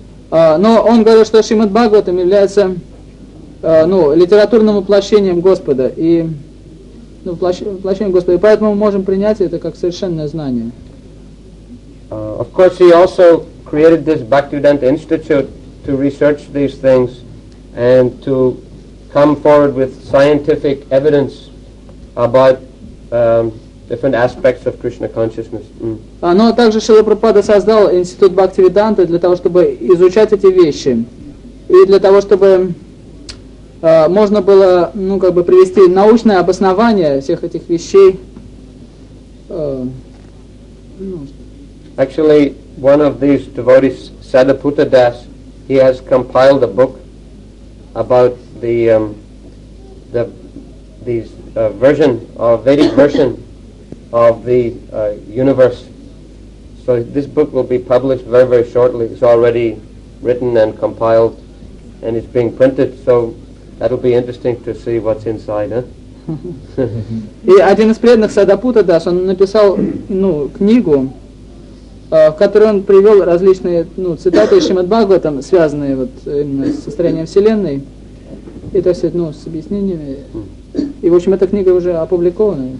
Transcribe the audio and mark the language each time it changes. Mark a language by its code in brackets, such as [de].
[ru] Но он говорит, что Шримад Бхагаватам является литературным воплощением Господа и воплощением Господа, и поэтому мы можем принять это как совершенное знание. [en] Of course, he also created this Bhaktivedanta Institute to research these things and to come forward with scientific evidence about different aspects of Krishna consciousness. [ru] Но также Шрила Прабхупада создал Институт Бхактивиданта для того, чтобы изучать эти вещи и для того, чтобы можно было, привести научное обоснование всех этих вещей. [en] Actually, one of these devotees, Sadaputta Das, he has compiled a book about version of Vedic version of the universe. So this book will be published very, very shortly. It's already written and compiled, and it's being printed. So that'll be interesting to see what's inside, huh? [ru] И один из преданных Садапута Дас, он написал книгу, в которой он привел различные цитаты из Шримад Бхагаватам, связанные именно с состоянием Вселенной. И то есть, с объяснениями. И, в общем, эта книга уже опубликована.